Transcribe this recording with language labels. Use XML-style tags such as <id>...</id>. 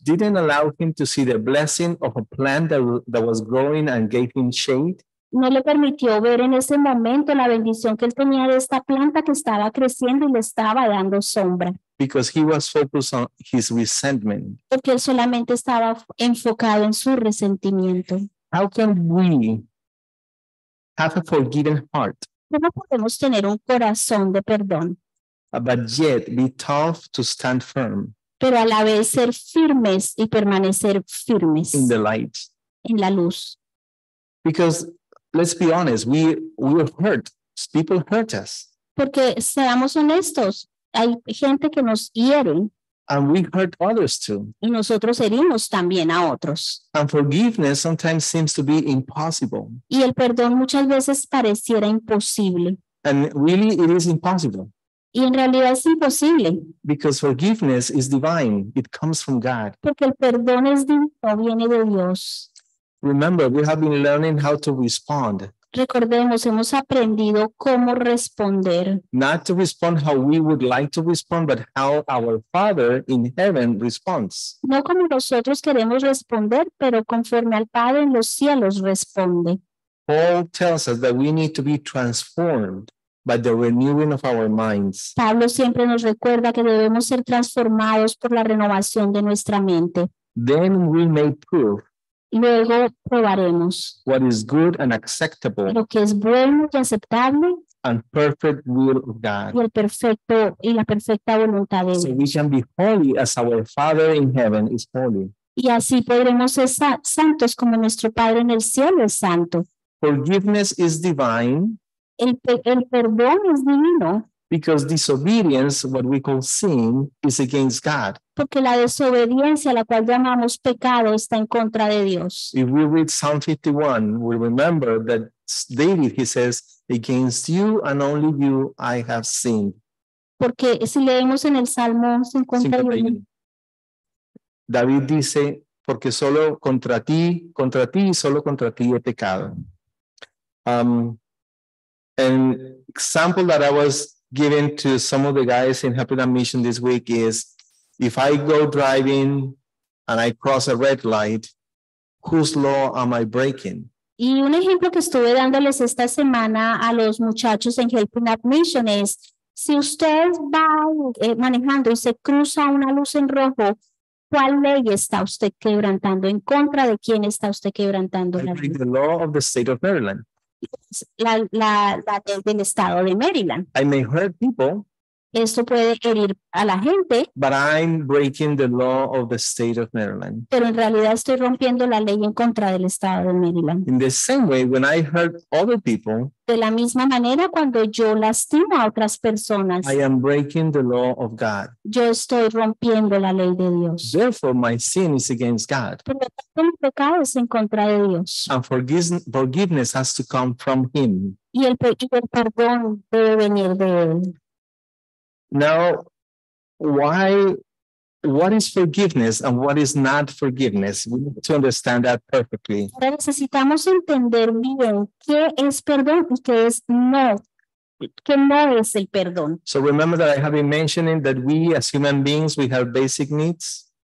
<en>Didn't allow him to see the blessing of a plant that was growing and gave him shade.</en> <es>No le permitió ver en ese momento la bendición que él tenía de esta planta que estaba creciendo y le estaba dando sombra.</es> <en>Because he was focused on his resentment.</en> <es>Porque él solamente estaba enfocado en su resentimiento.</es> <en>How can we have a forgiven heart?</en> <es>¿Cómo podemos tener un corazón de perdón?</es> <en>But yet be tough to stand firm.</en> <es>Pero a la vez ser firmes y permanecer firmes.</es> <en>In the light.</en> <es>En la luz.</es> <en>Because let's be honest, we are hurt. People hurt us.</en> <es>Porque seamos honestos, hay gente que nos hieren.</es> <en>And we hurt others too.</en> <es>Y nosotros herimos también a otros.</es> <en>And forgiveness sometimes seems to be impossible.</en> <es>Y el perdón muchas veces pareciera imposible.</es> <en>And really it is impossible.</en> <es>Y en realidad es imposible.</es> <en>Because forgiveness is divine. It comes from God.</en> <es>Porque el perdón es divino, viene de Dios.</es> <en>Remember, we have been learning how to respond.</en> <es>Recordemos, hemos aprendido cómo responder.</es> <en>Not to respond how we would like to respond, but how our Father in heaven responds.</en> <es>No como nosotros queremos responder, pero conforme al Padre en los cielos responde.</es> <en>Paul tells us that we need to be transformed by the renewing of our minds.</en> <es>Pablo siempre nos recuerda que debemos ser transformados por la renovación de nuestra mente.</es> <en>Then we may prove.</en> <es>Luego probaremos.</es> <en>What is good and acceptable.</en> <es>Lo que es bueno y aceptable.</es> <en>And perfect will of God.</en> <es>Y el perfecto y la perfecta voluntad de Dios.</es> <en>So we can be holy as our Father in heaven is holy.</en> <es>Y así podremos ser santos como nuestro Padre en el cielo es santo.</es> <en>Forgiveness is divine.</en> <es>El perdón es divino.</es> <en>Because disobedience, what we call sin, is against God.</en> <es>Porque la desobediencia, la cual llamamos pecado, está en contra de Dios.</es> <en>If we read Psalm 51, we remember that David, he says, against you and only you I have sinned.</en> <es>Porque si leemos en el Salmo 51. David dice, porque solo contra ti y solo contra ti he pecado.</es> <en>An example that I was given to some of the guys in Helping Hand Mission this week is, if I go driving and I cross a red light, whose law am I breaking?</en> <es>Y un ejemplo que estuve dándoles esta semana a los muchachos en Helping Hand Mission es, si usted va manejando y se cruza una luz en rojo, ¿cuál ley está usted quebrantando? ¿En contra de quién está usted quebrantando?</es> <en>I break the law of the state of Maryland.</en> <es>La del estado de Maryland.</es> <en>I may hurt people.</en> <es>Esto puede herir a la gente.</es> <en>But I'm breaking the law of the state of Maryland.</en> <es>Pero en realidad estoy rompiendo la ley en contra del estado de Maryland.</es> <en>In the same way, when I hurt other people.</en> <es>De la misma manera cuando yo lastimo a otras personas.</es> <en>I am breaking the law of God.</en> <es>Yo estoy rompiendo la ley de Dios.</es> <en>Therefore, my sin is against God.</en> <es>Por lo tanto, mi pecado es en contra de Dios.</es> <en>And forgiveness has to come from Him.</en> <es>Y el perdón debe venir de Él.</es> <en>Now, what is forgiveness and what is not forgiveness? We need to understand that perfectly.</en> <es>Necesitamos entender bien qué es perdón y qué es no. que no es el perdón.</es> <en>So remember that I have been mentioning that we as human beings, we have basic needs.</en>